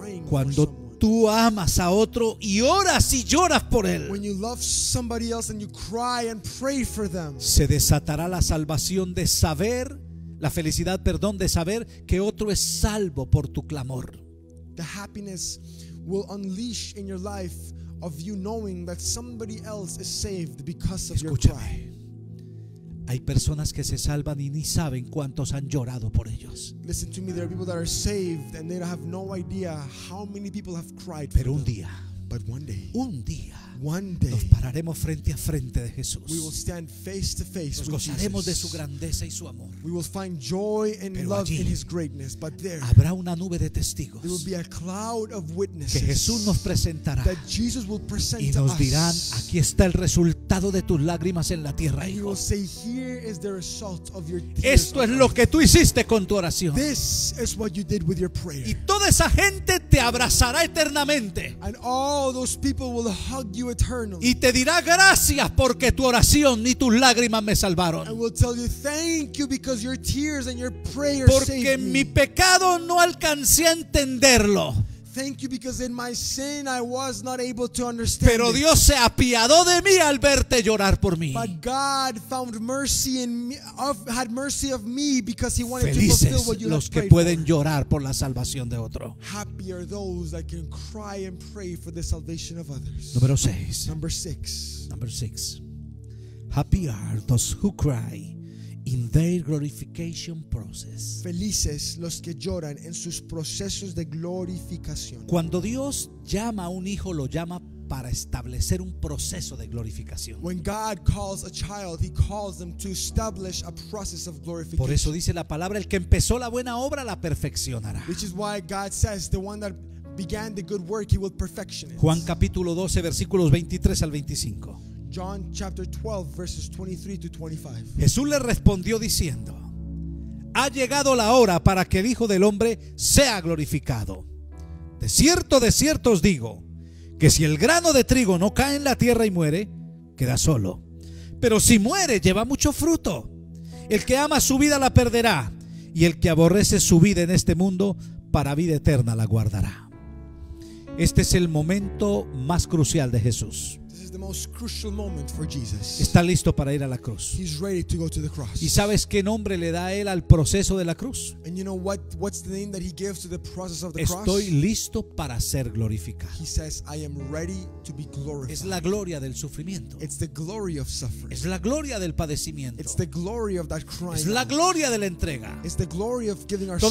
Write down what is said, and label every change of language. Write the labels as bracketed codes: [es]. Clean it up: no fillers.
[es] Cuando tú amas a otro y oras y lloras por él, [en] when you love somebody else and you cry and pray for them, [es] se desatará la salvación de saber, la felicidad, perdón, de saber que otro es salvo por tu clamor. [en] The happiness will unleash in your life of you knowing that somebody else is saved because of [es] escúchame, [en] your cry. [es] Hay personas que se salvan y ni saben cuántos han llorado por ellos. [en] Listen to me, there are people that are saved and they have no idea how many people have cried. [es] Pero un día, [en] but one day, [es] un día, [en] one day, [es] nos pararemos frente a frente de Jesús. [en] We will stand face to face with Jesus. [es] Nos gozaremos de su grandeza y su amor. [en] We will find joy and love in his greatness. But there, [es] habrá una nube de testigos. [en] There will be a cloud of witnesses [es] que Jesús nos presentará. [en] That Jesus will present [es] y nos dirán, aquí está el resultado de tus lágrimas en la tierra, hijo. [en] And he will say, here is the result of your tears. [es] Esto es lo que tú hiciste con tu oración. [en] This is what you did with your prayer. [es] Y toda esa gente te abrazará eternamente. [en] And all those people will hug you eternally. [es] Y te dirá gracias porque tu oración y tus lágrimas me salvaron. [en] And will tell you thank you because your tears and your prayer me. [es] Porque mi pecado no alcancé a entenderlo. [en] Thank you because in my sin I was not able to understand. [es] Pero Dios se apiadó de mí al verte llorar por mí. [en] But God found mercy in me, had mercy of me because he wanted Felices to fulfill what you [es] los que pueden [en] for. [es] Llorar por la salvación de otro. [en] Happy are those that can cry and pray for the salvation of others. [es] Número 6. [en] Number 6. Number 6. Happy are those who cry in their glorification process. [es] Felices los que lloran en sus procesos de glorificación. Cuando Dios llama a un hijo, lo llama para establecer un proceso de glorificación. [en] When God calls a child, he calls them to establish a process of glorification. [es] Por eso dice la palabra, el que empezó la buena obra la perfeccionará. [en] Which is why God says the one that began the good work he will perfection it. [es] Juan capítulo 12 versículos 23 al 25. [en] John chapter 12 verses 23 to 25. [es] Jesús le respondió diciendo: ha llegado la hora para que el Hijo del Hombre sea glorificado. De cierto os digo que si el grano de trigo no cae en la tierra y muere, queda solo. Pero si muere, lleva mucho fruto. El que ama su vida la perderá, y el que aborrece su vida en este mundo para vida eterna la guardará. Este es el momento más crucial de Jesús. [en] The most crucial moment for Jesus. [es] Está listo para ir a la cruz. [en] He's ready to go to the cross. [es] ¿Y sabes qué nombre le da él al proceso de la cruz? [en] And you know what's the name that he gives to the process of the [es] Estoy [en] cross? [es] Estoy listo para ser glorificado. [en] He says, I am ready to be glorified. [es] Es la gloria del sufrimiento. [en] It's the glory of suffering. [es] Es la gloria del padecimiento. [en] It's the glory of that crying. [es] Es la gloria de la entrega. [en] It's the glory of giving ourselves.